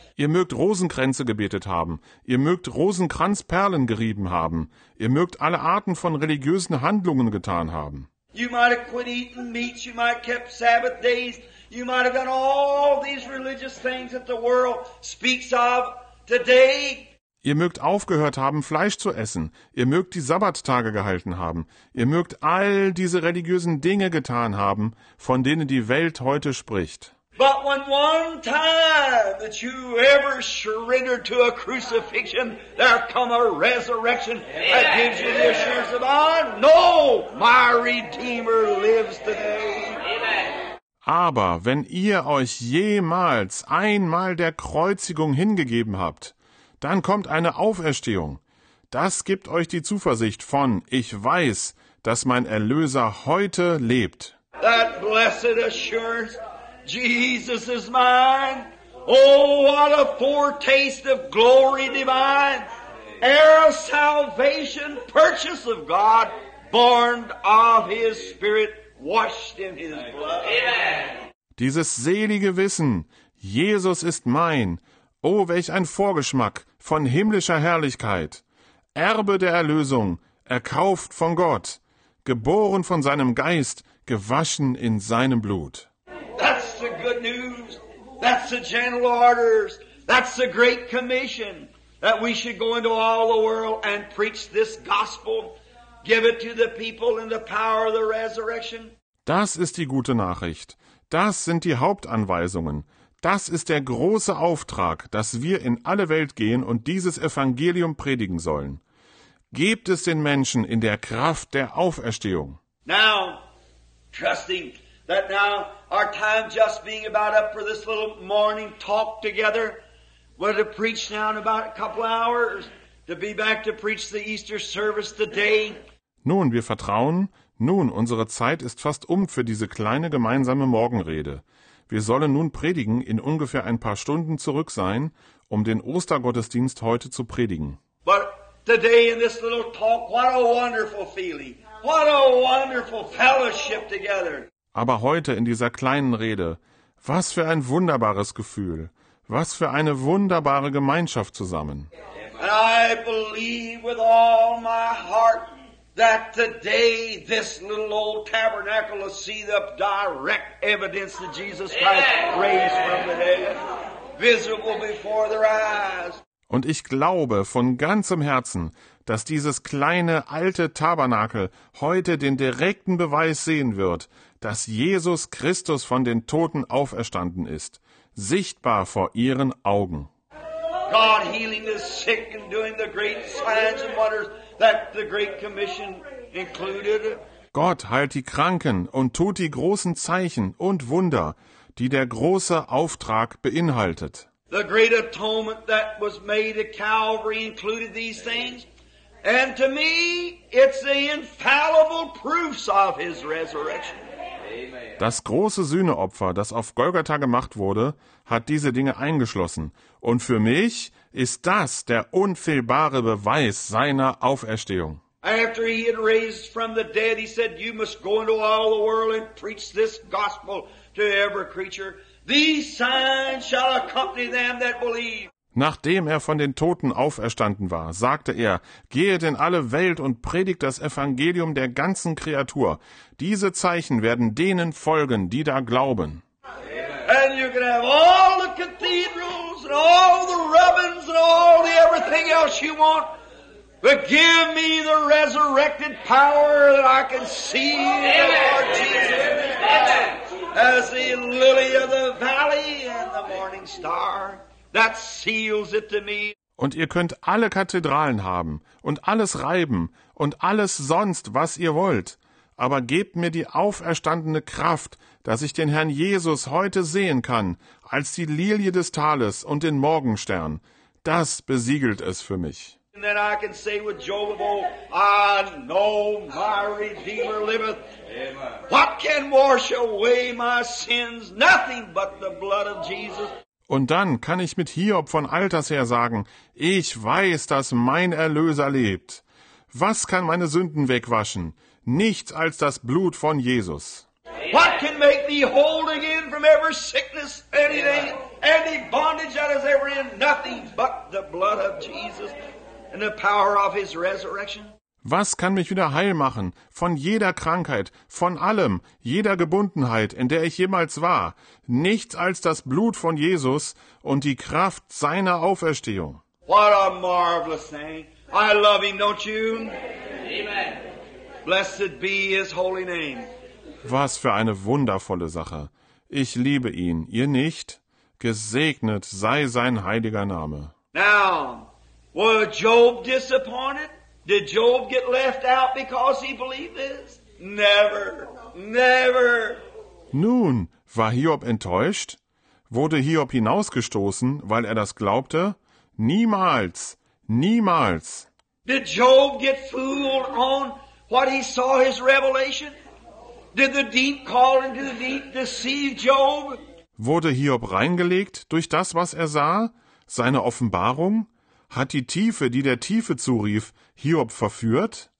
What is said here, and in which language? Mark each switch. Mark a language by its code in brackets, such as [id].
[de] Ihr mögt Rosenkränze gebetet haben, ihr mögt Rosenkranzperlen gerieben haben, ihr mögt alle Arten von religiösen Handlungen getan haben. [en] You might have quit eating meats, you might have kept Sabbath days, you might have done all these religious things that the world speaks of today. [de] Ihr mögt aufgehört haben, Fleisch zu essen, ihr mögt die Sabbattage gehalten haben, ihr mögt all diese religiösen Dinge getan haben, von denen die Welt heute spricht. [en] But when one time that you ever surrendered to a crucifixion, there come a resurrection that gives you the assurance of God. No, my Redeemer lives today. [de] Aber wenn ihr euch jemals einmal der Kreuzigung hingegeben habt, dann kommt eine Auferstehung. Das gibt euch die Zuversicht von, ich weiß, dass mein Erlöser heute lebt. [en] That blessed assurance, Jesus is mine. Oh, what a foretaste of glory divine. Heir of salvation, purchase of God, born of his spirit, washed in his blood. Amen. [de] Dieses selige Wissen, Jesus ist mein. Oh, welch ein Vorgeschmack von himmlischer Herrlichkeit. Erbe der Erlösung, erkauft von Gott, geboren von seinem Geist, gewaschen in seinem Blut. [en] That's the good news. That's the general orders. That's the great commission. That we should go into all the world and preach this gospel. Give it to the people in the power of the resurrection. [de] Das ist die gute Nachricht. Das sind die Hauptanweisungen. Das ist der große Auftrag, dass wir in alle Welt gehen und dieses Evangelium predigen sollen. Gebt es den Menschen in der Kraft der Auferstehung. [en] Now, trusting that now our time just being about up for this little morning talk together, we're to preach now in about a couple hours, to be back to preach the Easter service today. [de] Nun, wir vertrauen, nun, unsere Zeit ist fast um für diese kleine gemeinsame Morgenrede. Wir sollen nun predigen, in ungefähr ein paar Stunden zurück sein, um den Ostergottesdienst heute zu predigen. [en] But today in this little talk, what a wonderful feeling. What a wonderful fellowship together. [de] Aber heute in dieser kleinen Rede, was für ein wunderbares Gefühl. Was für eine wunderbare Gemeinschaft zusammen. [en] And I believe with all my heart that today this little old tabernacle will see the direct evidence that Jesus Christ raised from the dead, visible before their eyes. [de] Und ich glaube von ganzem Herzen, dass dieses kleine alte Tabernakel heute den direkten Beweis sehen wird, dass Jesus Christus von den Toten auferstanden ist, sichtbar vor ihren Augen. [en] God healing the sick and doing the great signs and wonders that the Great Commission included. [de] Gott heilt die Kranken und tut die großen Zeichen und Wunder, die der große Auftrag beinhaltet. [en] The great atonement that was made at Calvary included these things. And to me, it's the infallible proofs of his resurrection. [de] Das große Sühneopfer, das auf Golgatha gemacht wurde, hat diese Dinge eingeschlossen. Und für mich ist das der unfehlbare Beweis seiner Auferstehung. [en] After he had raised from the dead, he said, you must go into all the world and preach this gospel to every creature. These signs shall accompany them that believe. [de] Nachdem er von den Toten auferstanden war, sagte er, gehet in alle Welt und predigt das Evangelium der ganzen Kreatur. Diese Zeichen werden denen folgen, die da glauben. [en] And you can have all the cathedrals and all the rubbins and all the everything else you want, but give me the resurrected power that I can see in the Lord Jesus as the lily of the valley and the morning star. That seals it to me. [de] Und ihr könnt alle Kathedralen haben und alles reiben und alles sonst, was ihr wollt. Aber gebt mir die auferstandene Kraft, dass ich den Herrn Jesus heute sehen kann, als die Lilie des Tales und den Morgenstern. Das besiegelt es für mich. [en] And then I can say with Job of old, I know my Redeemer liveth. Amen. What can wash away my sins? Nothing but the blood of Jesus. [de] Und dann kann ich mit Hiob von Alters her sagen, ich weiß, dass mein Erlöser lebt. Was kann meine Sünden wegwaschen? Nichts als das Blut von Jesus. [en] What can make me whole again from every sickness, anything, any bondage that is ever in? Nothing but the blood of Jesus and the power of his resurrection. [de] Was kann mich wieder heil machen von jeder Krankheit, von allem, jeder Gebundenheit, in der ich jemals war? Nichts als das Blut von Jesus und die Kraft seiner Auferstehung. [en] What a marvelous thing. I love him, don't you? Amen. Blessed be his holy name. [de] Was für eine wundervolle Sache. Ich liebe ihn, ihr nicht? Gesegnet sei sein heiliger Name. [en] Now, were Job disappointed? Did Job get left out because he believed this? Never, never. [de] Nun, war Hiob enttäuscht? Wurde Hiob hinausgestoßen, weil er das glaubte? Niemals, niemals. [en] Did Job get fooled on what he saw his revelation? Did the deep call into the deep deceive Job? [de] Wurde Hiob reingelegt durch das, was er sah? Seine Offenbarung? Hat die Tiefe, die der Tiefe zurief, Hiob verführt?